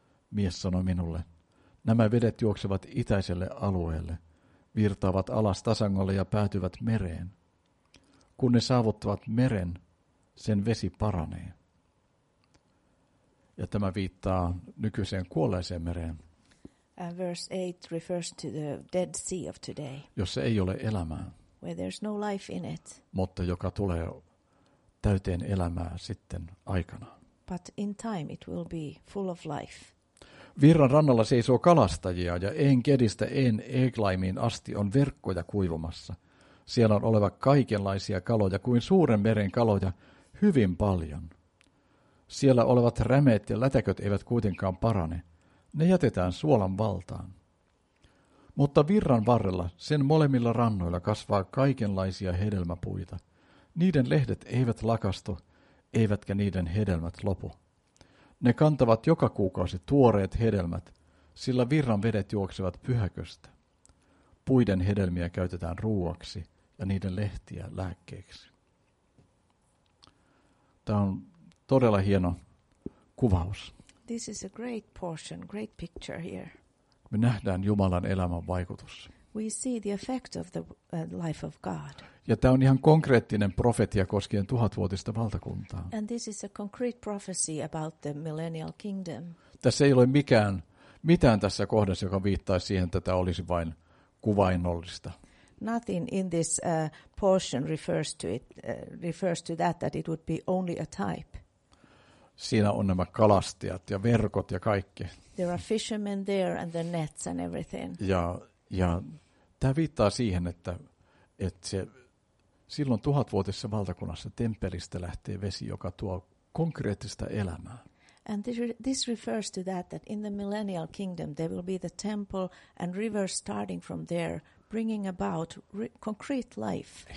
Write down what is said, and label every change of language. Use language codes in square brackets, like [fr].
[fi] Mies sanoi minulle, nämä vedet juoksevat itäiselle alueelle, virtaavat alas tasangolle ja päätyvät mereen. Kun ne saavuttavat meren, sen vesi paranee. Ja tämä viittaa nykyiseen kuolleeseen mereen. [en] And verse 8 refers to the Dead Sea of today. [fi] Jossa ei ole elämää. [en] Where there's no life in it. [fi] Mutta joka tulee täyteen elämää sitten aikanaan. [en] But in time it will be full of life. [fi] Virran rannalla seisoo kalastajia ja Engedistä Eglaimiin asti on verkkoja kuivumassa. Siellä on oleva kaikenlaisia kaloja kuin suuren meren kaloja hyvin paljon. Siellä olevat rämeet ja lätäköt eivät kuitenkaan parane. Ne jätetään suolan valtaan. Mutta virran varrella, sen molemmilla rannoilla, kasvaa kaikenlaisia hedelmäpuita. Niiden lehdet eivät lakastu, eivätkä niiden hedelmät lopu. Ne kantavat joka kuukausi tuoreet hedelmät, sillä virran vedet juoksevat pyhäköstä. Puiden hedelmiä käytetään ruuaksi ja niiden lehtiä lääkkeeksi. Tämä on todella hieno kuvaus. [en] This is a great portion, great picture here. [fi] Me nähdään Jumalan elämän vaikutus. [en] We see the effect of the life of God. [fi] Ja tämä on ihan konkreettinen profetia koskien 1000-vuotista valtakuntaa. [en] And this is a concrete prophecy about the millennial kingdom. [fi] Tässä ei ole mitään tässä kohdassa, joka viittaisi siihen, että tämä olisi vain kuvainnollista. [en] Nothing in this portion refers to that it would be only a type. [fi] Siinä on nämä kalastajat ja verkot ja kaikki. [en] There are fishermen there and the nets and everything. [fi] Ja tämä viittaa siihen, että se silloin 1000-vuotisessa valtakunnassa temppelistä lähtee vesi, joka tuo konkreettista elämää. [en] And this refers to that in the millennial kingdom there will be the temple and rivers starting from there, bringing about concrete life.